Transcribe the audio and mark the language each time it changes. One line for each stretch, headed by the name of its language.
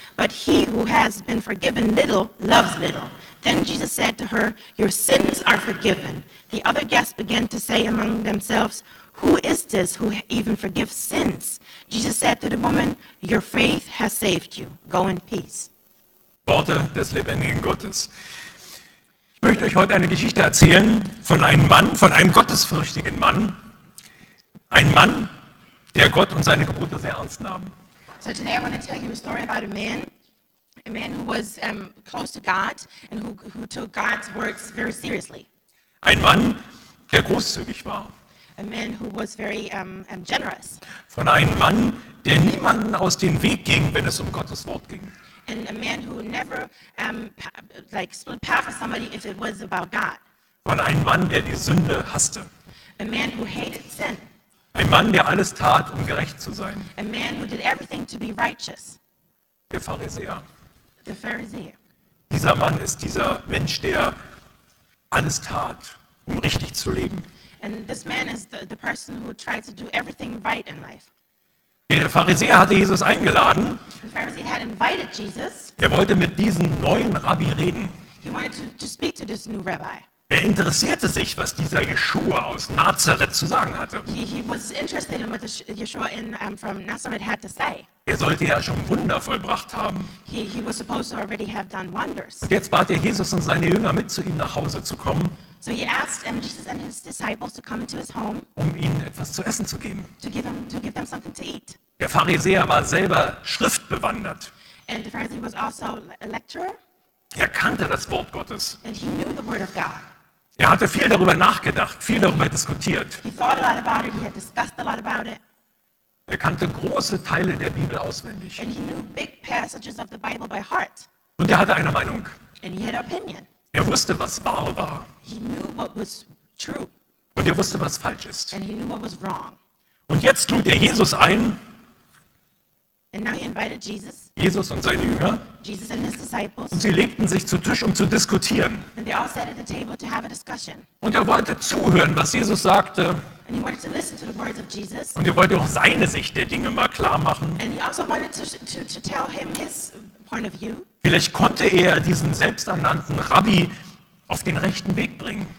English: But he who has been forgiven little loves little. Then Jesus said to her, your sins are forgiven. The other guests began to say among themselves, who is this who even forgives sins? Jesus said to the woman, your faith has saved you. Go in peace.
German: Worte des lebendigen Gottes. Ich möchte euch heute eine Geschichte erzählen von einem Mann, von einem gottesfürchtigen Mann. Ein Mann, der Gott und seine Gebote sehr ernst nahm.
English: So today I want to tell you a story about a man who was close to God and who took God's words very seriously.
German: Ein Mann, der großzügig war.
English: A man who was very generous.
German: Von einem Mann, der niemanden aus dem Weg ging, wenn es um Gottes Wort ging.
English: and a man who never like split path with somebody if it was about God.
German: Und ein Mann, der die Sünde hasste.
English: A man who hated sin.
German: Ein Mann, der alles tat, um gerecht zu sein.
English: A man who did everything to be righteous.
German: Der Pharisäer.
English: The Pharisee.
German: Dieser Mann ist dieser Mensch, der alles tat, um richtig zu leben.
English: And this man is the person who tried to do everything right in life.
German: Der Pharisäer hatte Jesus eingeladen.
English: The Pharisee had invited Jesus.
German: Er wollte mit diesem neuen Rabbi reden.
English: He wanted to speak to this new rabbi.
German: Er interessierte sich, was dieser Yeshua aus Nazareth zu sagen hatte.
English: He was interested in what Yeshua from Nazareth had to say.
German: Er sollte ja schon Wunder vollbracht haben.
English: He was supposed to already have done wonders.
German: Und jetzt bat er Jesus und seine Jünger, mit zu ihm nach Hause zu kommen.
English: So he asked Jesus and his disciples to come into his home.
German: Um ihnen etwas zu essen zu geben.
English: To give them something to eat.
German: Der Pharisäer war selber schriftbewandert.
English: And the Pharisee was also a lecturer.
German: Er kannte das Wort Gottes.
English: And he knew the word of God.
German: Er hatte viel darüber nachgedacht, viel darüber diskutiert.
English: He thought a lot about it, he had discussed a lot about it.
German: Er kannte große Teile der Bibel auswendig.
English: And he knew big passages of the Bible by heart.
German: Und er hatte eine Meinung.
English: And he had an opinion.
German: Er wusste, was wahr war.
English: He knew what was true.
German: Und er wusste, was falsch ist.
English: And he knew what was wrong.
German: Und jetzt lud er Jesus ein.
English: And now he invited Jesus.
German: Jesus und seine Jünger.
English: Jesus and his disciples.
German: Und sie legten sich zu Tisch, um zu diskutieren.
English: And they all sat at the table to have a discussion.
German: Und er wollte zuhören, was Jesus sagte.
English: And he wanted to listen to the words of Jesus.
German: Und er wollte auch seine Sicht der Dinge mal klar machen.
English: And he also wanted to tell him his point of view.
German: Vielleicht konnte er diesen selbsternannten Rabbi auf den rechten Weg bringen.